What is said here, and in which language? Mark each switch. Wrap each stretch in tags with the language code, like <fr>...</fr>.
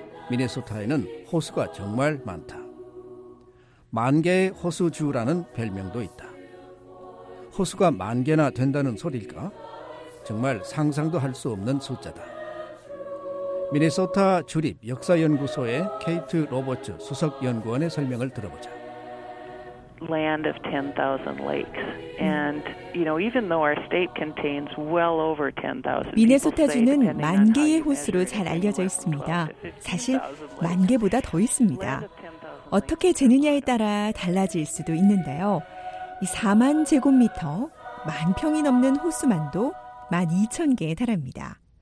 <ko>미네소타에는 호수가 정말 많다. 만 개의 호수 주라는 별명도 있다. 호수가 만 개나 된다는 소리일까? 정말 상상도 할 수 없는 숫자다. 미네소타 주립 역사연구소의 케이트 로버츠 수석연구원의 설명을 들어보자.</ko> <en>Land of 10,000 lakes. And, you know, even though our state contains well over 10,000.</en> <ko>미네소타주는 만 개의 호수로 잘 알려져 있습니다. 사실 만 개보다 더 있습니다. 어떻게 재느냐에 따라 달라질 수도 있는데요. 이 4만 제곱미터, 만 평이 넘는 호수만도 12,000개에 달합니다.</ko>